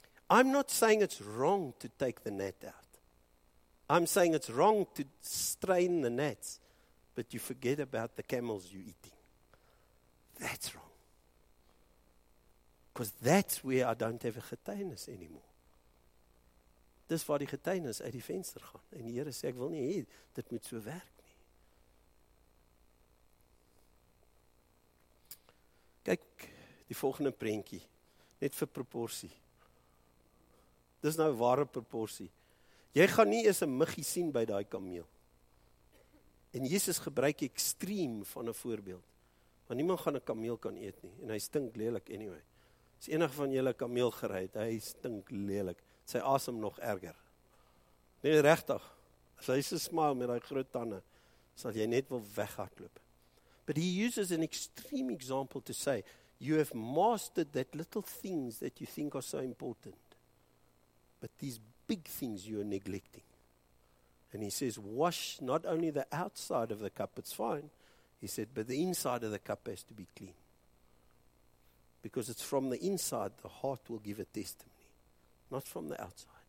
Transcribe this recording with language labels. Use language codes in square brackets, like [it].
[en] I'm not saying it's wrong to take the net out. I'm saying it's wrong to strain the gnats, but you forget about the camels you're eating. That's wrong. Because that's where I don't have a getuienis anymore. [af] Dis waar die getuienis uit die venster gaan. En die Here sê, ek wil nie hê dit moet so werk nie. Kyk, die volgende prentjie, net vir proporsie. Dis nou ware proporsie. Jy gaan nie eens 'n muggie sien by daai kameel. En Jesus gebruik ekstreem van 'n voorbeeld. Want niemand gaan 'n kameel kan eet nie. En hy stink lelik anyway. As enige van julle kameel gery het, hy stink lelik. Sy asem nog erger. Nee, regtig. As hy so smaal met hy groot tanden, sal jy net wil weghardloop. [en] But he uses an extreme example to say, you have mastered that little things that you think are so important. But these big things you are neglecting. And he says, wash not only the outside of the cup, it's fine. He said, but the inside of the cup has to be clean. Because it's from the inside, the heart will give a testimony. Not from the outside.